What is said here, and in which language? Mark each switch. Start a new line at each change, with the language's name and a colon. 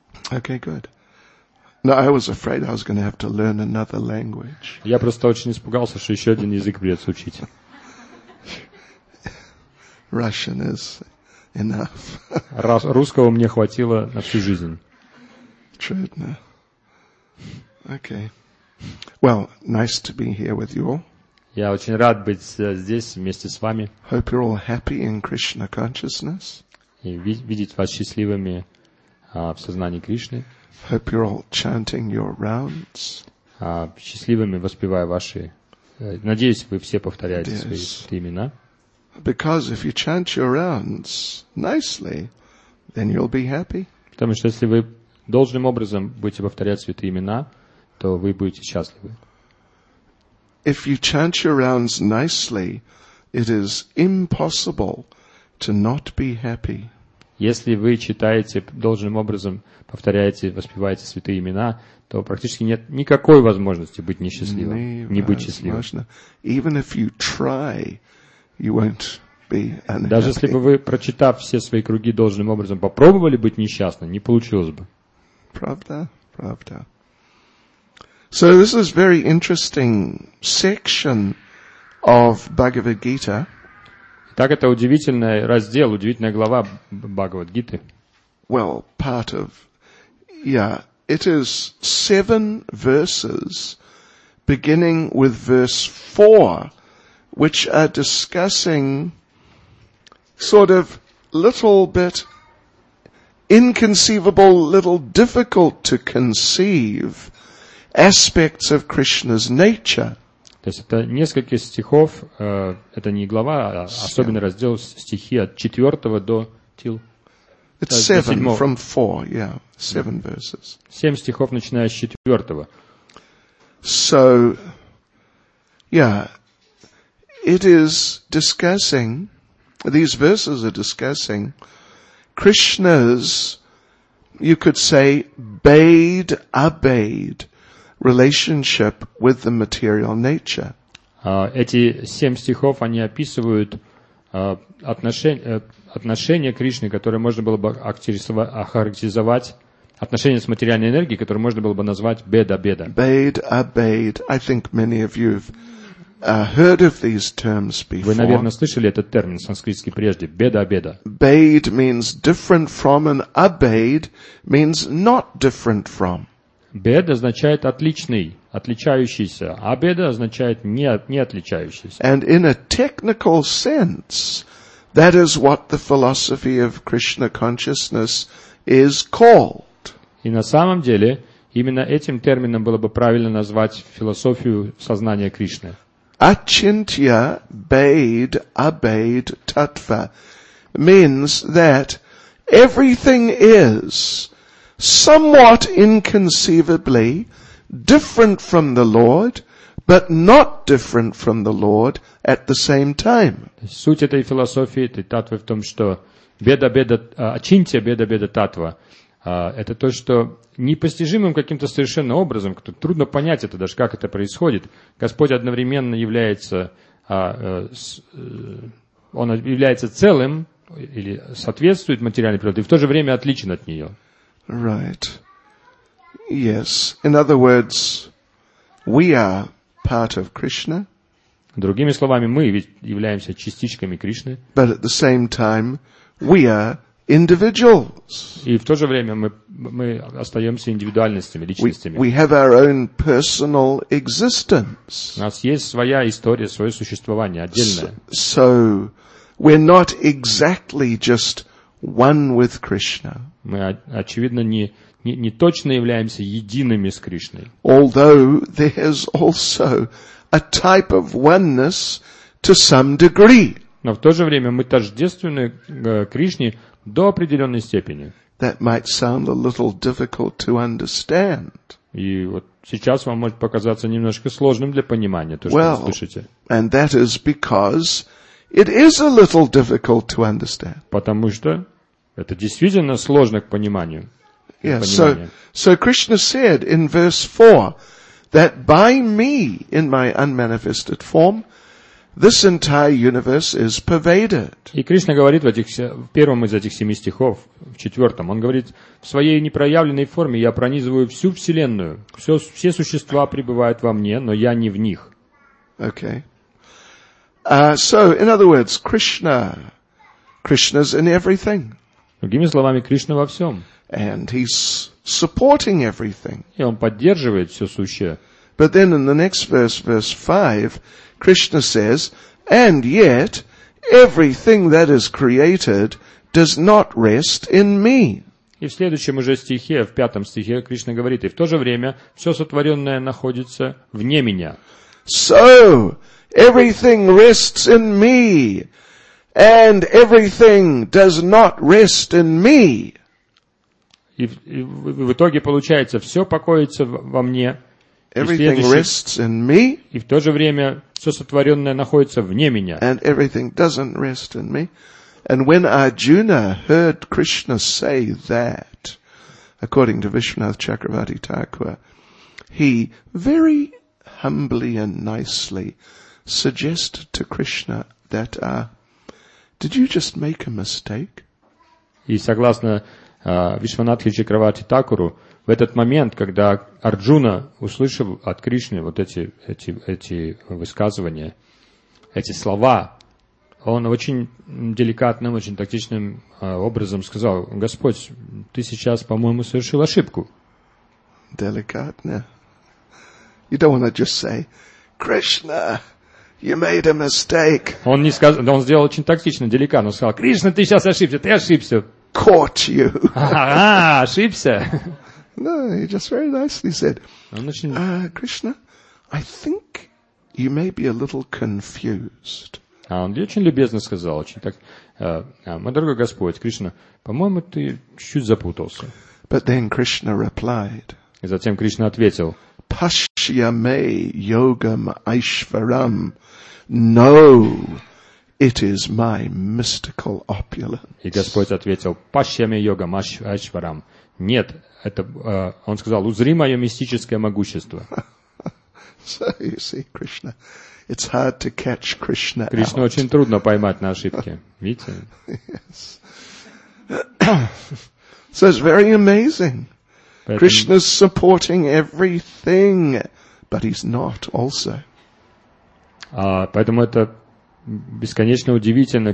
English: Okay, good. No, I was afraid I was going to have to learn another language.
Russian: Я просто очень испугался, что еще один язык придется учить.
English: Russian is enough.
Russian: Русского мне хватило на всю жизнь. Чудно. Okay.
English: Well, nice to be here with you all.
Russian: Я очень рад быть здесь вместе с вами.
English: Hope you're all happy in Krishna consciousness.
Russian: И видеть вас счастливыми в сознании Кришны.
English: Hope you're all chanting your rounds.
Russian: Счастливыми воспевая ваши. Надеюсь, вы все повторяете свои имена.
English: Because if you chant your rounds nicely, then you'll be happy.
Russian: Потому что если вы должным образом будете повторять святые имена, то вы будете счастливы.
English: If you chant your rounds nicely, it is impossible to not be happy.
Russian: Если вы читаете должным образом, повторяете, воспеваете святые имена, то практически нет никакой возможности быть несчастливым, не быть счастливым.
English: Even if you try, you won't be unhappy.
Russian: Даже если бы вы, прочитав все свои круги должным образом, попробовали быть несчастным, не получилось бы. Правда? Правда.
English: So this is very interesting section of Bhagavad Gita.
Russian: Так это удивительный раздел, удивительная глава Бхагавад-гиты.
English: Well, part of, yeah, it is seven verses, beginning with verse 4, which are discussing sort of little bit inconceivable, little difficult to conceive aspects of Krishna's nature.
Russian: То есть это несколько стихов, это не глава, а особенный раздел стихи от 4 до 7. 7 стихов, начиная с 4.
English: So, yeah, it is discussing, these verses are discussing Krishna's, you could say, bade-abade relationship with the material nature.
Russian: Эти семь стихов, они описывают отношение Кришны, которое можно было бы охарактеризовать, отношение с материальной энергией, которое можно было бы назвать беда-беда.
Sanskrit: Bade-abade.
English: I think many of you have heard of these terms before.
Russian: Вы, наверное, слышали этот термин санскритский прежде.
Sanskrit: Беда-беда.
English: Bade means different from, and abade means not different from.
Russian: Беда означает отличный, отличающийся, а беда означает не отличающийся.
English: And in a technical sense, that is what the philosophy of Krishna consciousness is called.
Russian: И на самом деле именно этим термином было бы правильно назвать философию сознания Кришны.
English: Achintya bade abade tattva means that everything is somewhat inconceivably different from the Lord, but not different from the Lord at the same time.
Russian: Суть этой философии, этой татвы в том, что беда-беда, ачинтия беда-беда татва, это то, что непостижимым каким-то совершенно образом, трудно понять это даже, как это происходит, Господь одновременно является, Он является целым, или соответствует материальной природе, и в то же время отличен от нее.
English: Right. Yes. In other words, we are part of Krishna.
Russian: Другими словами, мы ведь являемся частичками Кришны.
English: But at the same time, we are individuals.
Russian: И в то же время мы остаемся индивидуальностями, личностями.
English: We have our own personal existence.
Russian: У нас есть своя история, свое существование отдельное.
English: So we're not exactly just one with Krishna.
Russian: Мы, очевидно, не точно являемся едиными с Кришной.
English: Although there is also a type of oneness to some degree.
Russian: Но в то же время мы тождественны Кришне до определенной степени.
English: That might sound a little difficult to understand.
Russian: И вот сейчас вам может показаться немножко сложным для понимания то,
English: well,
Russian: что вы слышите.
English: And that is because it is a little difficult to understand.
Russian: Потому что это действительно сложно к пониманию.
English: Yes, so Krishna said in verse 4 that by me, in my unmanifested form, this entire universe is pervaded.
Russian: И Кришна говорит в первом из этих семи стихов, в четвертом, он говорит, в своей непроявленной форме я пронизываю всю Вселенную. Все существа пребывают во мне, но я не в них.
English: Okay. So, in other words, Krishna's in everything.
Russian: Другими словами, Кришна во всем.
English: And he's supporting everything.
Russian: И он поддерживает все сущее.
English: But then in the next verse, verse 5, Krishna says, and yet everything that is created does not rest in me.
Russian: И в следующем уже стихе, в пятом стихе, Кришна говорит, и в то же время все сотворенное находится вне меня.
English: So, everything rests in me, and everything does not rest in me.
Russian: И в итоге получается, все покоится во мне.
English: Everything rests in me.
Russian: И в то же время все сотворенное находится вне меня.
English: And everything doesn't rest in me. And when Arjuna heard Krishna say that, according to Vishwanath Chakravarti Thakur, he very humbly and nicely suggested to Krishna that, did you just make a mistake?
Russian: И согласно Вишванатхи Чакравати Такуру, в этот момент, когда Арджуна услышал от Кришны вот эти высказывания, эти слова, он очень деликатным, очень тактичным образом сказал, Господь, ты сейчас, по-моему, совершил ошибку. Деликатно.
English: You don't want to just say, Krishna, you made a mistake.
Russian: Он сделал очень тактично, деликатно. Он сказал, Кришна, ты сейчас ошибся, ты ошибся.
English: Caught you.
Russian: Ошибся.
English: No, he just very nicely said, Krishna, I think you may be a little confused.
Russian: А он очень любезно сказал, очень так, мой дорогой Господь, Кришна, по-моему, ты чуть-чуть запутался.
English: But then Krishna replied,
Russian: и затем Кришна ответил,
Sanskrit: Pashya me yogam aishvaram.
English: No, it is my mystical opulence.
Russian: И Господь ответил:
Sanskrit: Пашья ме йогам айшварам.
Russian: Нет, это он сказал: узри мое мистическое могущество.
English: So you see, Krishna, it's hard to catch Krishna.
Russian: Кришну очень трудно поймать на ошибке. Видите?
English: Yes. So it's very amazing. Krishna's supporting everything, but he's not also.
Russian: Поэтому это бесконечно удивительно.